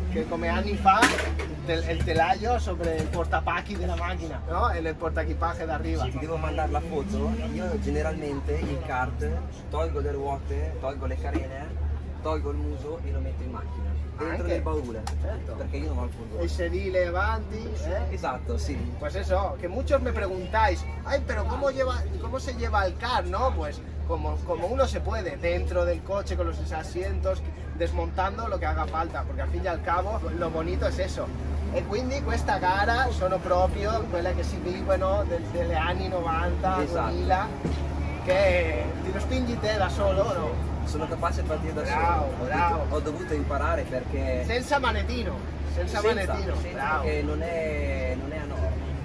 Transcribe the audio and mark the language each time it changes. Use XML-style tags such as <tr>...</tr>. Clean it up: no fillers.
<it>Che come anni fa il telaio sopra il portapacchi della macchina, no? E il portaequipaggio d'arriva. Ti devo mandare la foto, io generalmente il kart tolgo le ruote, tolgo le carene, tolgo il muso e lo metto in macchina. Dentro del baule, certo. Perché io non ho il furgone. Il sedile avanti, eh? Esatto, sì.</it> <es>Pues eso, che muchos me preguntáis, ay, pero cómo lleva, cómo se lleva el car, ¿no? Pues como uno se puede, dentro del coche, con los asientos, desmontando lo que haga falta, porque al fin y al cabo lo bonito es eso.</es> <it>E quindi questa gara sono proprio quella che si vive, ¿no? Degli anni 90, 2000, che ti lo spingi te da solo, ¿no? Sono capace a partire da bravo, solo, bravo. Ho dovuto imparare perché... Senza manettino, senza manettino, perché non è a norma.</it>